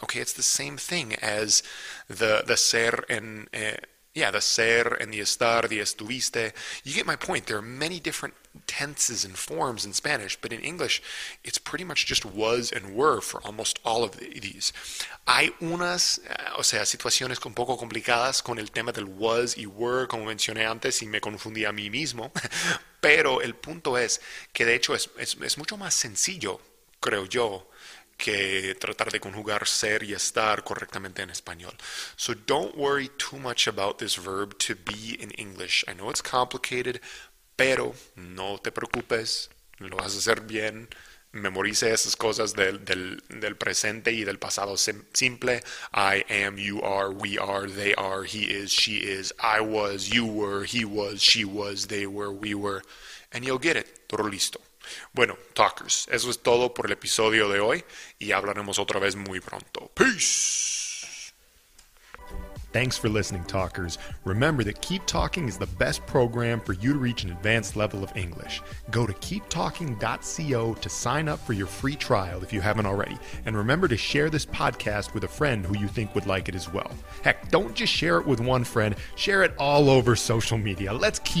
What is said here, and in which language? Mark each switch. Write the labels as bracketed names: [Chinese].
[English] Okay, it's the same thing as the ser and the ser and the estar, the estuviste. You get my point. There are many different tenses and forms in Spanish, but in English, it's pretty much just was and were for almost all of these. [Spanish] Hay unas, o sea, situaciones un poco complicadas con el tema del was y were, como mencioné antes, y me confundí a mí mismo. Pero el punto es que de hecho es mucho más sencillo, creo yo, que tratar de conjugar ser y estar correctamente en español. [English] So don't worry too much about this verb to be in English. I know it's complicated, [Spanish] Pero no te preocupes, lo vas a hacer bien. Memoriza esas cosas del presente y del pasado simple. [English] I am, you are, we are, they are, he is, she is, I was, you were, he was, she was, they were, we were. And you'll get it. [Spanish] Todo listo. Bueno, talkers, eso es todo por el episodio de hoy y hablaremos otra vez muy pronto. [English] Peace. Thanks for listening, talkers. Remember that Keep Talking is the best program for you to reach an advanced level of English. Go to keeptalking.co to sign up for your free trial if you haven't already. And remember to share this podcast with a friend who you think would like it as well. Heck, don't just share it with one friend. Share it all over social media. Let's keep